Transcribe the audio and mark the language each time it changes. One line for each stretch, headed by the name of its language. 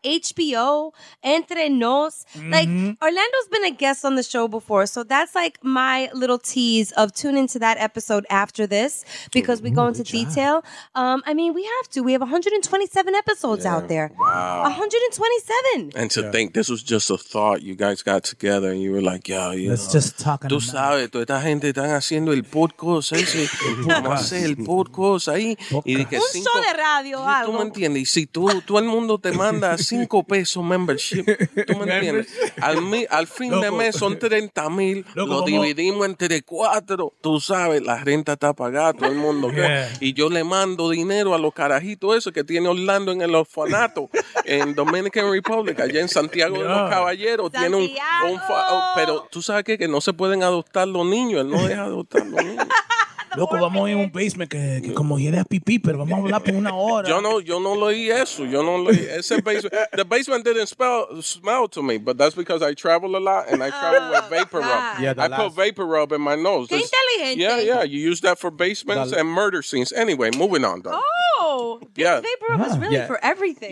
English: HBO, Entre Nos. Mm-hmm. Like, Orlando's been a guest on the show before, so that's, like, my little tease of tune into that episode after this, because we go into detail. I mean, we have to. We have 127 episodes out there. Wow. 127. And to think this was just a thought. You guys got together and you were like, yo, you Let's know. Just talk
Spanish: Tú sabes, toda esta gente están haciendo el podcast ese. El podcast ahí. Un show de radio o algo. Tú me entiendes. Y si tú, todo el mundo te manda $5 membership, tú me entiendes. Al fin de mes son 30 mil. Lo dividimos entre cuatro. Tú sabes, la renta está pagada, todo el mundo. Yeah. Y yo le mando dinero a los carajitos esos que tiene Orlando en el orfanato en Dominican Republic, allá en Santiago de los Caballeros. Tiene pero tú sabes qué, que no se pueden adoptar los niños. Él no deja adoptar los niños. Loco, vamos a ir a un basement que como hiere a pipí, pero vamos a hablar por una hora. Yo no leí eso. Yo no leí ese basement.
English: The basement didn't smell to me, but that's because I travel a lot and I travel with vapor rub. Yeah, I put vapor rub in my nose.
Spanish: Qué inteligente.
English: Yeah, yeah. You use that for basements and murder scenes. Anyway, moving on, though. Vapor rub is really for everything.